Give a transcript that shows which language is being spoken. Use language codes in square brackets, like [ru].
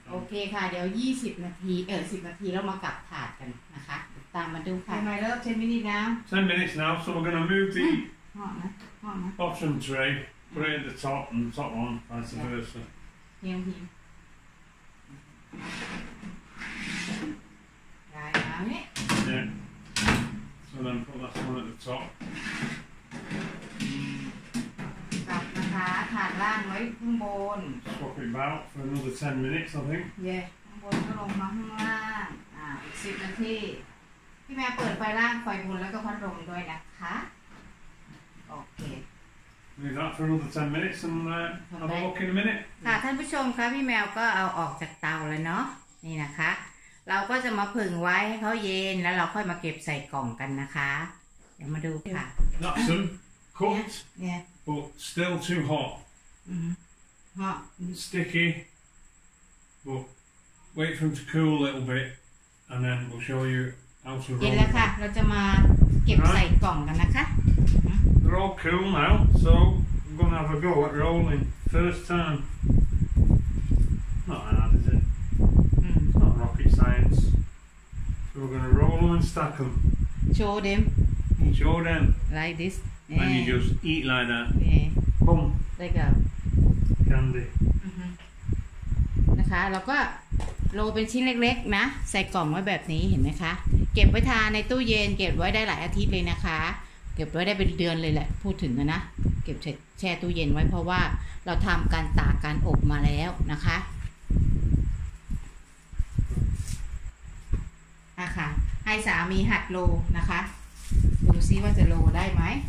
[th] โอเคค่ะเดี๋ยว20นาที10นาทีเรามากลับถาดกันนะคะตามมาดูค่ะ [en] my love 10 minutes now 10 minutes now so we're going to move the bottom tray put it at the top and the top one vice versa [th] ยังๆได้ไหม [en] yeah so then put that one at the top [th] กลับนะคะถาดล่างไว้ข้างบน [en] swap it about for another 10 minutes I think [th] yeah ข้างบนก็ลงมาข้างล่างอีก10นาทีพี่แม่เปิดไฟล่างไฟบนแล้วก็พัดลมด้วยนะคะโอเค [en] leave that for another 10 minutes and have a look in a minute [th] ค่ะท่านผู้ชมคะพี่แมวก็เอาออกจากเตาแล้วเนาะนี่นะคะเราก็จะมาผึ่งไว้ให้เขาเย็นแล้วเราค่อยมาเก็บใส่กล่องกันนะคะเดี๋ยวมาดูค่ะ [en] not so cooked but still too hot hot sticky but wait for them to cool a little bit and then we'll show you [th] เย็นแล้วค่ะเราจะมาเก็บใส่กล่องกันนะคะ [en] They're all cool now, so I'm gonna have a go at rolling first time. Not hard, is it? It's not rocket science. So we're gonna roll them and stack them. Show them. Show them. Like this. And you just eat like that. Yeah. Boom. Like a candy. [th] นะคะเราก็โรลเป็นชิ้นเล็กๆนะใส่กล่องไว้แบบนี้เห็นไหมคะเก็บไว้ทานในตู้เย็นเก็บไว้ได้หลายอาทิตย์เลยนะคะเก็บไว้ได้เป็นเดือนเลยแหละพูดถึงนะเก็บแช่ตู้เย็นไว้เพราะว่าเราทำการตากการอบมาแล้วนะคะอ่ะค่ะให้สามีหัดโรลนะคะดูซิว่าจะโรลได้ไหม